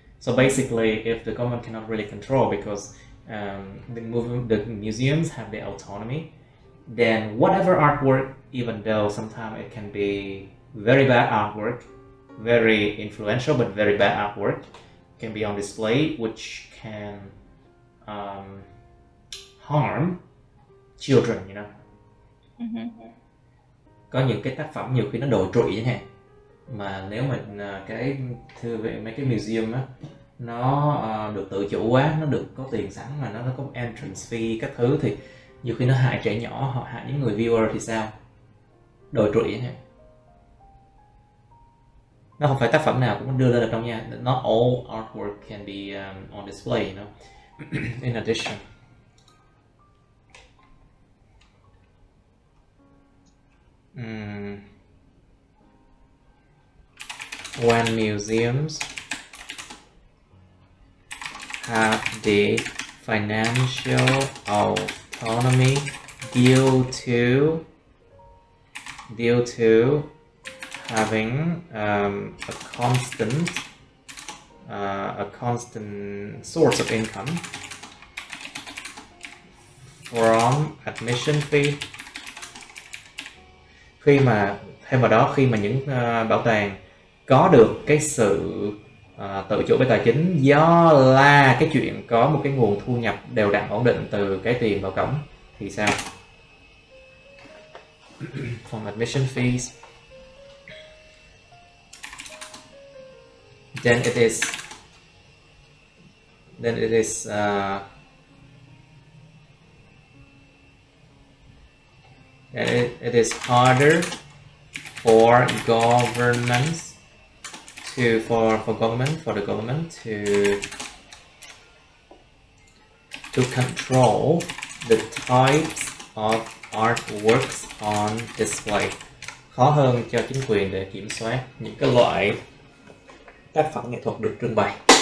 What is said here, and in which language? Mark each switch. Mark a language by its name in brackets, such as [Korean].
[English] So basically, if the government cannot really control because the museums have their autonomy, then whatever artwork, even though sometimes it can be very bad artwork, very influential but very bad artwork, can be on display, which can harm children, you know. [Vietnamese] Có những cái tác phẩm nhiều khi nó đồi trụy chẳng hạn, mà nếu mà cái thư viện mấy cái museum á nó được tự chủ quá, nó được có tiền sẵn mà nó có entrance fee các thứ, thì nhiều khi nó hại trẻ nhỏ hoặc hại những người viewer thì sao, đồi trụy chẳng hạn. Nó không phải tác phẩm nào cũng đưa ra được đâu nha. [English] Not all artwork can be on display, you know. In addition, when museums have the financial autonomy due to having a constant source of income from admission fee. [Vietnamese] Khi mà thêm vào đó, khi mà những bảo tàng có được cái sự tự chủ về tài chính do là cái chuyện có một cái nguồn thu nhập đều đặn ổn định từ cái tiền vào cổng thì sao? [English] From admission fees, then it is it is harder for governments to for the government to control the types of artworks on display. [Vietnamese] Khó hơn cho chính quyền để kiểm soát những cái loại tác phẩm nghệ thuật được trưng bày.